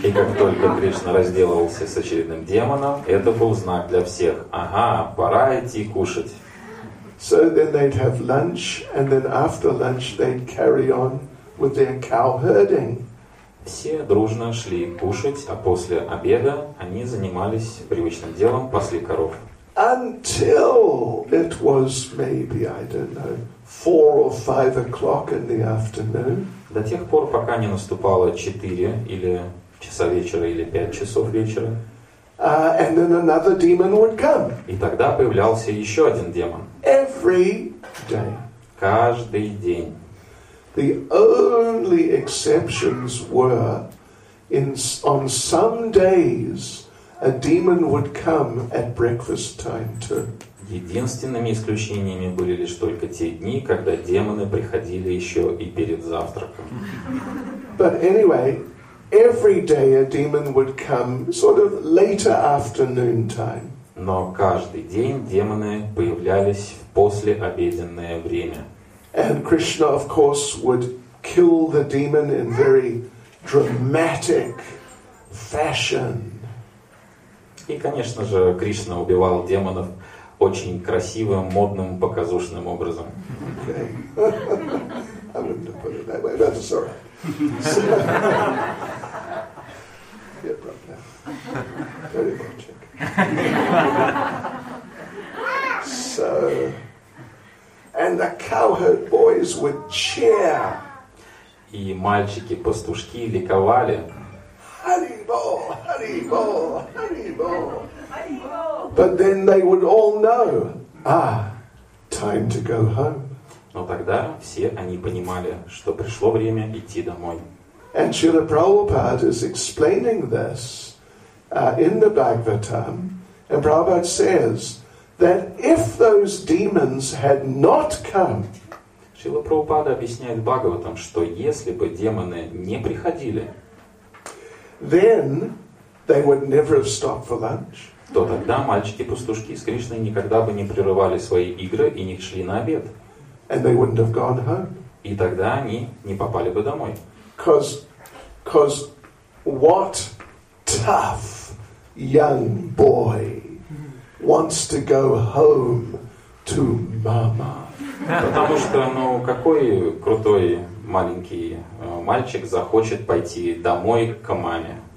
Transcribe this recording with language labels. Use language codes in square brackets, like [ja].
[ru] И как только Кришна разделывался с очередным демоном, это был знак для всех. Ага, пора идти кушать. [en] So then they'd have lunch, and then after lunch they'd carry on with their cow herding. [ru] Все дружно шли кушать, а после обеда они занимались привычным делом, пасли коров. [en] Until it was maybe, I don't know, 4 or 5 o'clock in the afternoon. [ru] До тех пор, пока не наступало 4 или часа вечера, или 5 часов вечера. [en] And then another demon would come. [ru] И тогда появлялся еще один демон. [en] Every day. [ru] Каждый день. [en] The only exceptions were on some days a demon would come at breakfast time too. [ru] Единственными исключениями были лишь только те дни, когда демоны приходили еще и перед завтраком. [en] But anyway, every day a demon would come sort of later afternoon time. [ru] Но каждый день демоны появлялись в послеобеденное время. [en] And Krishna, of course, would kill the demon in very dramatic fashion. [ru] И, конечно же, Кришна убивал демонов очень красивым, модным, показушным образом. [en] Okay. I wouldn't have put it that way, but it's all right. So, yeah, probably. Very magic. So... And the cowherd boys would cheer. [ru] И мальчики-пастушки ликовали. Honeyball, honeyball, honeyball. [en] But then they would all know. Time to go home. [ru] Но тогда все они понимали, что пришло время идти домой. [en] And Srila Prabhupada is explaining this in the Bhagavatam. And Prabhupada says that if those demons had not come, [ru] Шрила Прабхупада объясняет Бхагаватам, что если бы демоны не приходили, [en] then they would never have stopped for lunch. [ru] То тогда мальчики-пастушки с Кришной никогда бы не прерывали свои игры и не шли на обед. [en] And they wouldn't have gone home. [ru] И тогда они не попали бы домой. [en] Because what tough young boy wants to go home to mama. [ru] Потому что, ну, какой крутой маленький мальчик захочет пойти домой к маме?